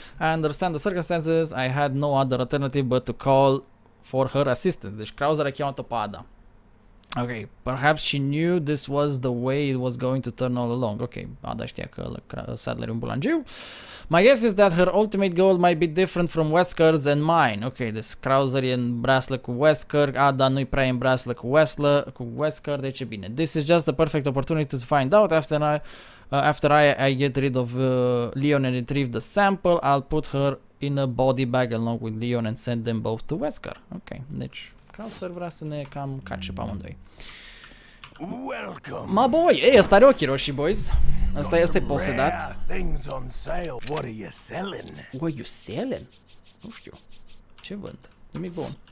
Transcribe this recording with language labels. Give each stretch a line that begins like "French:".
English: I understand the circumstances. I had no other alternative but to call for her assistance.
Romanian: Deci Krauser a chemat-o pe Ada.
English: Ok, perhaps she knew this was the way it was going to turn all along.
Romanian: Ok, Ada știa că Sadler e un bulangiu.
English: My guess is that her ultimate goal might be different from Wesker's and mine.
Romanian: Ok, deci Krauser e în braslă cu Wesker, Ada nu-i prea în braslă cu Wesker, deci e bine.
English: This is just the perfect opportunity to find out after I get rid of Leon and retrieve the sample, I'll put her in a body bag along with Leon and send them both to Wesker.
Romanian: Ok, deci Krauser vrea să ne cam catche pe amândoi.
English: Welcome. Ma boy,
Romanian: ei, ăsta are ochii roșii, boys. Ăsta este posedat.
English: Things on sale. What are you selling? What are you selling?
Romanian: Nu știu. Ce vând? Nimic bun.